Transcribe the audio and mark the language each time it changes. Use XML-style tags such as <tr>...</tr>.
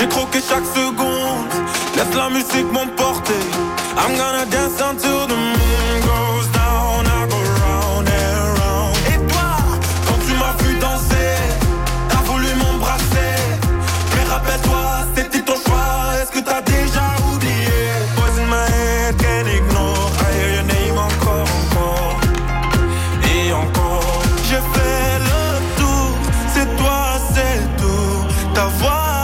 <fr>Que chaque seconde laisse la musique m'emporter.</fr> <en>I'm gonna dance until the moon goes down. I go round and round.</en> <fr>Et toi, quand tu m'as vu danser, t'as voulu m'embrasser. Mais rappelle-toi, c'était ton choix. Est-ce que t'as déjà oublié?</fr> <en>Voice in my head, can't ignore. I hear your name encore, encore.</en> <fr>Et encore. Je fais le tour, c'est toi, c'est tout. Ta voix.</fr>